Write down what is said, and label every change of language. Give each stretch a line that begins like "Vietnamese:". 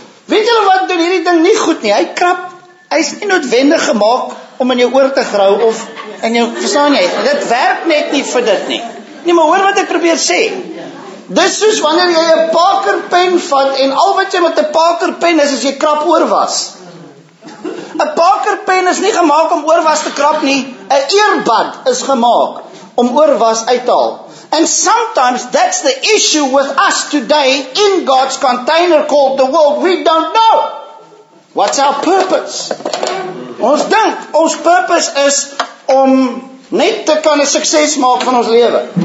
Afrikaans: Weet julle wat, doen hierdie ding nie goed nie, hy krap, hy is nie noodwendig gemaakt om in jou oor te grauw of in jou, verstaan jy, dit werk net nie vir dit nie. Nee, maar hoor wat ek probeer sê. Dis soos wanneer jy 'n pakerpen vat en al wat jy met 'n pakerpen is jy krap oorwas. 'N pakerpen is nie gemaak om oorwas te krap nie. 'N earbud is gemaak om oorwas uit te haal.
English: And sometimes that's the issue with us today in God's container called the world. We don't know what's our purpose.
Afrikaans: Ons dink ons purpose is om net te kan een sukses maak van ons lewe.